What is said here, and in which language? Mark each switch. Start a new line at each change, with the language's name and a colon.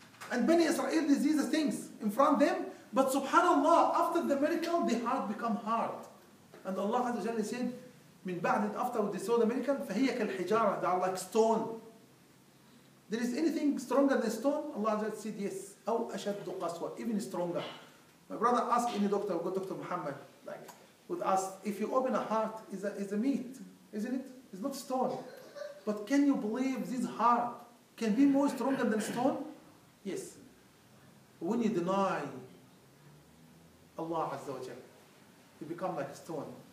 English: And Bani Israel did these things in front of them. But subhanAllah, after the miracle, the heart become hard. And Allah Azza wa Jalla said,
Arabic: من بعد
English: after they saw the miracle,
Arabic: فهي كالحجارة,
English: they are like stone. There is anything stronger than stone? Allah Azza wa Jalla said yes.
Arabic: أو أشد قسوة,
English: even stronger. My brother asked any doctor, go Dr. Muhammad, like, would ask, if you open a heart, is a meat, isn't it? It's not stone. But can you believe this heart can be more stronger than stone? Yes. When you deny Allah Azza wa Jalla, you become like stone.